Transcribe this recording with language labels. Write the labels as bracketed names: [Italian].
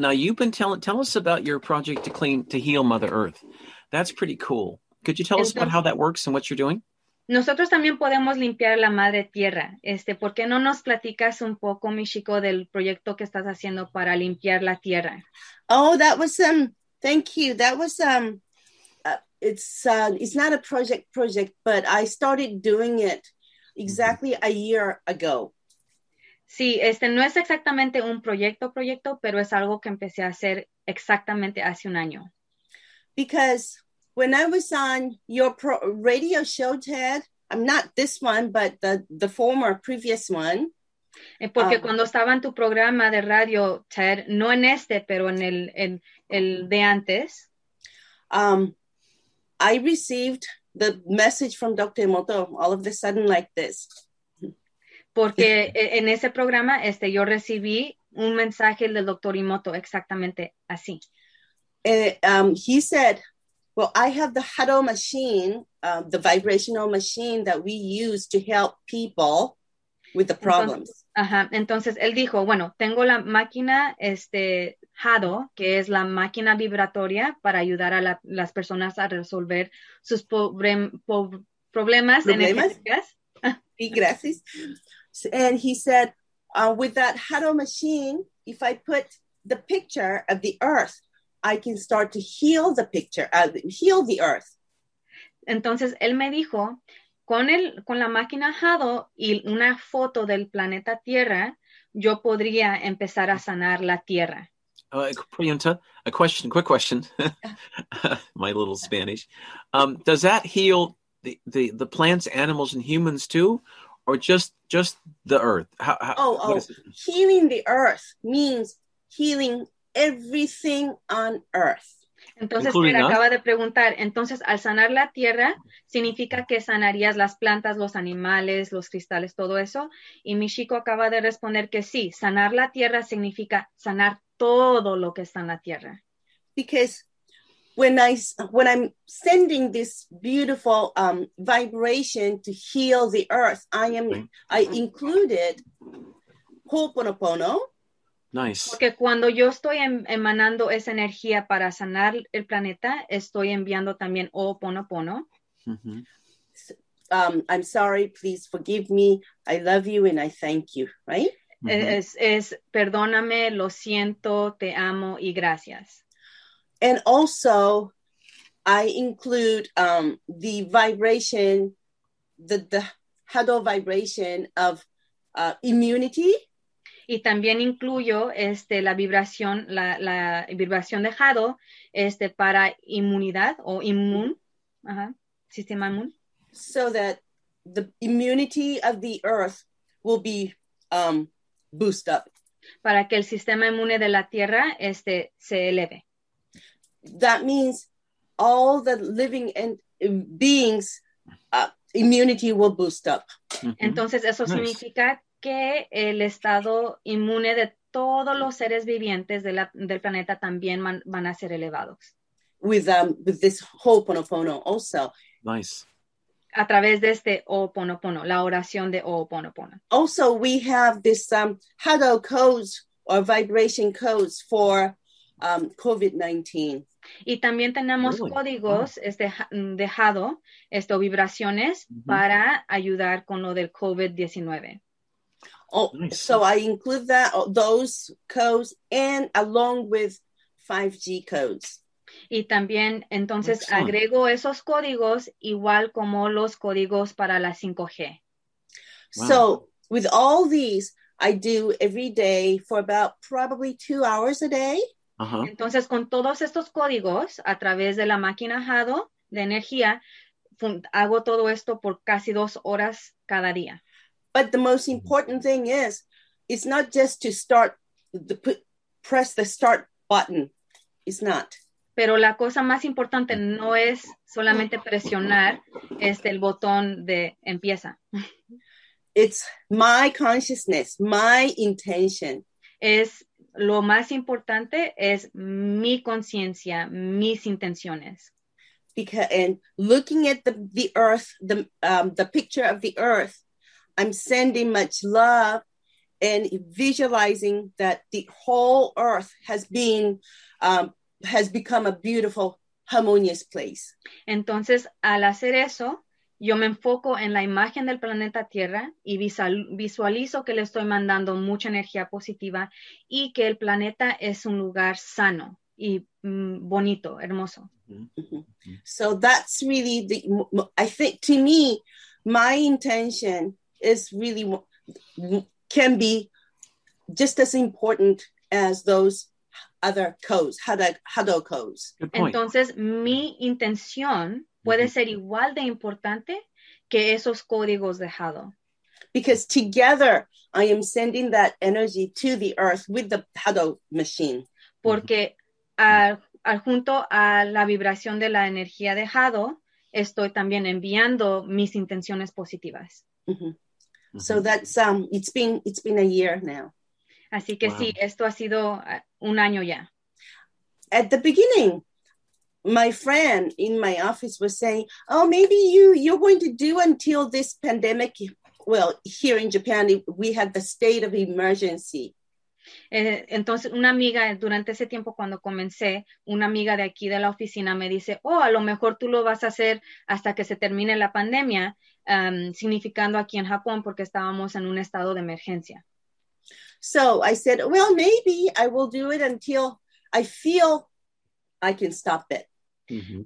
[English] Now you've been tell us about your project to heal Mother Earth. That's pretty cool. Could you tell us about how that works and what you're doing? [Spanish] Nosotros también podemos limpiar la madre tierra. ¿Por qué no nos platicas un poco, mi chico, del proyecto que estás haciendo para limpiar la tierra? [English] Oh, that was thank you. That was it's not a project, but I started doing it exactly a year ago. [Spanish] Sí, no es exactamente un proyecto, pero es algo que empecé a hacer exactamente hace un año. [English] Because when I was on your radio show, Ted, I'm not this one, but the former, previous one. [Spanish] Porque cuando estaba en tu programa de radio, Ted, no en pero en el de antes. [English] I received the message from Dr. Emoto all of a sudden like this. [Spanish] Porque en ese programa, yo recibí un mensaje del Dr. Emoto exactamente así. [English] He said... Well, I have the Hado machine, the vibrational machine that we use to help people with the problems. [Spanish] Entonces, él dijo, bueno, tengo la máquina, Hado, que es la máquina vibratoria para ayudar a las personas a resolver sus problemas energéticos. Sí, gracias. [English] And he said, with that Hado machine, if I put the picture of the earth, I can start to heal the picture, heal the earth. [Spanish] Entonces, él me dijo, con la máquina Hado y una foto del planeta Tierra, yo podría empezar a sanar la tierra. [English] Priyanta, a question, quick question. My little Spanish. Does that heal the plants, animals, and humans too? Or just the earth? Healing the earth means healing everything on earth. [Spanish] Entonces, [English] including [Spanish] mira, [English] us? [Spanish] Acaba de preguntar, entonces, al sanar la tierra, significa que sanarías las plantas, los animales, los cristales, todo eso. Y mi chico acaba de responder que sí, sanar la tierra significa sanar todo lo que está en la tierra. [English] Because when I'm sending this beautiful vibration to heal the earth, I included Ho'oponopono. Nice. [Spanish] Porque cuando yo estoy emanando esa energía para sanar el planeta, estoy enviando también Ho'oponopono. [English] Mm-hmm. I'm sorry, please forgive me. I love you and I thank you, right? Mm-hmm. [Spanish] Es perdóname, lo siento, te amo y gracias. [English] And also, I include the vibration, the huddle vibration of immunity. [Spanish] Y también incluyo la vibración de Hado para inmunidad o inmune, sistema inmune. [English] So that the immunity of the earth will be boosted up. [Spanish] Para que el sistema inmune de la tierra se eleve. [English] That means all the living and beings, immunity will boost up. Mm-hmm. [Spanish] Entonces eso significa que el estado inmune de todos los seres vivientes del planeta también van a ser elevados. [English] With this Ho'oponopono also. Nice. [Spanish] A través de este Ho'oponopono, la oración de Ho'oponopono. [English] Also, we have this Hado codes or vibration codes for COVID-19. [Spanish] Y también tenemos [English] really? [Spanish] Códigos de Hado, vibraciones, mm-hmm. para ayudar con lo del COVID-19. [English] Oh, nice. So I include those codes and along with 5G codes. [Spanish] Y también, entonces, [English] excellent. [Spanish] Agrego esos códigos igual como los códigos para la 5G. Wow. [English] So with all these, I do every day for about probably 2 hours a day. Uh-huh. [Spanish] Entonces, con todos estos códigos a través de la máquina Hado de energía, hago todo esto por casi 2 horas cada día. [English] But the most important thing is, it's not just to start, press the start button. It's not. [Spanish] Pero la cosa más importante no es solamente presionar el botón de empieza. [English] It's my consciousness, my intention. [Spanish] Es lo más importante es mi conciencia, mis intenciones. [English] Because and looking at the earth, the picture of the earth, I'm sending much love and visualizing that the whole earth has been has become a beautiful, harmonious place. [Spanish] Entonces, al hacer eso, yo me enfoco en la imagen del planeta Tierra y visualizo que le estoy mandando mucha energía positiva y que el planeta es un lugar sano y bonito, hermoso. Mm-hmm. [English] So that's really the, I think to me, my intention is really, can be just as important as those other codes, Hado codes. [Spanish] Entonces, mi intención puede ser igual de importante que esos códigos de Hado. [English] Because together I am sending that energy to the earth with the Hado machine. [Spanish] Porque al junto a la vibración de la energía de Hado, estoy también enviando mis intenciones positivas. [English] Mm-hmm. So that's it's been a year now. [Spanish] Así que wow. Sí, esto ha sido un año ya. [English] At the beginning, my friend in my office was saying, "Oh, maybe you're going to do until this pandemic." Well, here in Japan, we had the state of emergency. [Spanish] Entonces, una amiga durante ese tiempo cuando comencé, una amiga de aquí de la oficina me dice, "Oh, a lo mejor tú lo vas a hacer hasta que se termine la pandemia." Significando aquí en Japón porque estábamos en un estado de emergencia. [English] So I said, well, maybe I will do it until I feel I can stop it. Mm-hmm.